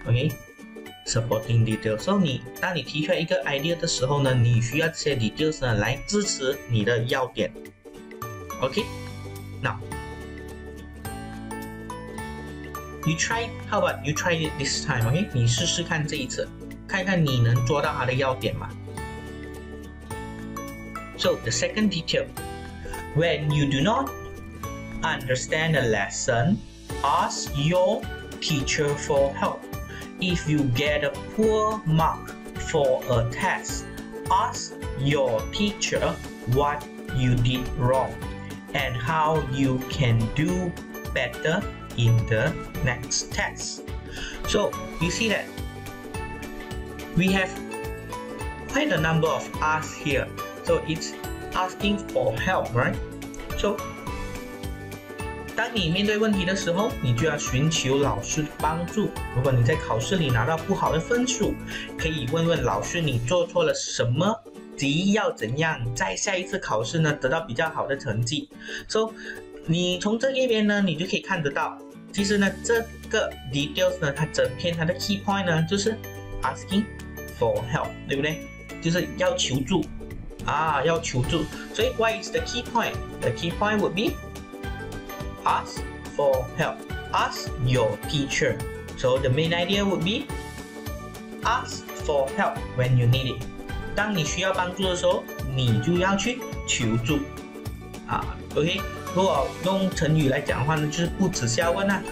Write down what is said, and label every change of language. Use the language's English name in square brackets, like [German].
[English] Okay, supporting details. [Chinese] So 你当你提出来一个 idea 的时候呢，你需要这些 details 呢来支持你的要点。Okay? [English] Now, how about you try it this time, okay? [Chinese] 你试试看这一次, 看看你能做到它的要点吗? [English] So, the second detail. When you do not understand a lesson, ask your teacher for help. If you get a poor mark for a test, ask your teacher what you did wrong and how you can do better in the next test. So, you see that we have quite a number of asks here. So, it's asking for help, right? [Chinese] So, 当你面对问题的时候, 你就要寻求老师帮助。如果你在考试里拿到不好的分数, 可以问问老师你做错了什么, 及要怎样在下一次考试呢, 得到比较好的成绩。 So, 你从这一边呢, 你就可以看得到, 其实呢, 这个 details呢, 它整篇它的 key point呢, 就是 [English] asking for help, [Chinese] 对不对? 就是要求助, 啊, 要求助。 [English] So, what is the key point? The key point would be ask for help. Ask your teacher. So the main idea would be ask for help when you need it. [Chinese] 当你需要帮助的时候，你就要去求助。 [English] OK? [Chinese] 如果用成语来讲的话呢，就是不耻下问啊。